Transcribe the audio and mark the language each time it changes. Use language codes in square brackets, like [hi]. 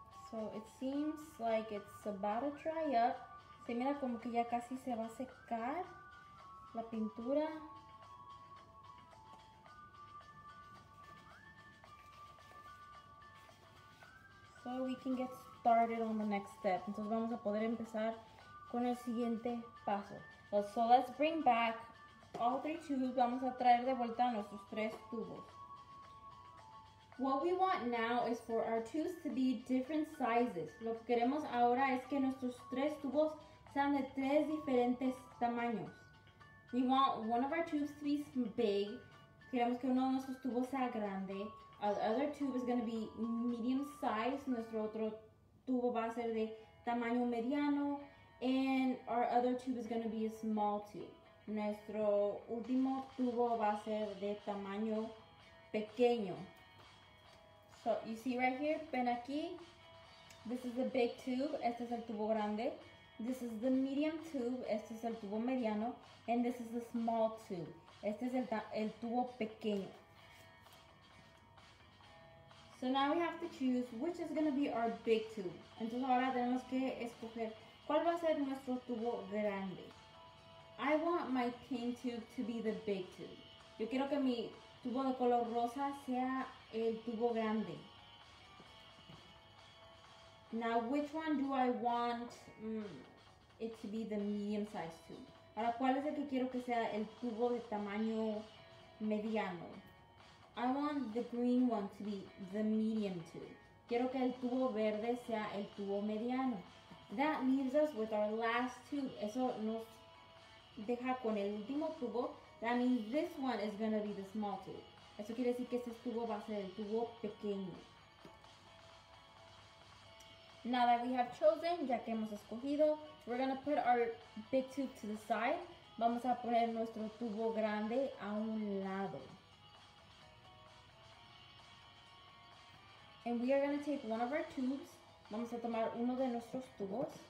[en] So it seems like it's about to dry up. [es] Se mira como que ya casi se va a secar la pintura. [en] So we can get started on the next step. [es] Entonces vamos a poder empezar con el siguiente paso. [en] So let's bring back all three tubes. [es] Vamos a traer de vuelta nuestros tres tubos. [en] What we want now is for our tubes to be different sizes. [es] Lo que queremos ahora es que nuestros tres tubos sean de tres diferentes tamaños. [en] We want one of our tubes to be big. [es] Queremos que uno de nuestros tubos sea grande. [en] Our other tube is going to be medium size. [es] Nuestro otro tubo va a ser de tamaño mediano. [en] And our other tube is going to be a small tube. [es] Nuestro último tubo va a ser de tamaño pequeño. [en] So you see right here, [es] ven aquí. [en] This is the big tube. [es] Este es el tubo grande. [en] This is the medium tube. [es] Este es el tubo mediano. [en] And this is the small tube. [es] Este es el tubo pequeño. [en] So now we have to choose which is going to be our big tube. [es] Entonces ahora tenemos que escoger cuál va a ser nuestro tubo grande. [en] I want my pink tube to be the big tube. [es] Yo quiero que mi tubo de color rosa sea el tubo grande. [en] Now which one do I want it to be the medium size tube? [es] Ahora cuál es el que quiero que sea el tubo de tamaño mediano. [en] I want the green one to be the medium tube. [es] Quiero que el tubo verde sea el tubo mediano. [en] That leaves us with our last tube. [es] Eso nos deja con el último tubo. [en] That means this one is going to be the small tube. [es] Eso quiere decir que este tubo va a ser el tubo pequeño. [en] Now that we have chosen, [es] ya que hemos escogido, [en] we're going to put our big tube to the side. [es] Vamos a poner nuestro tubo grande a un lado. [en] And we are going to take one of our tubes. [es] Vamos a tomar uno de nuestros tubos.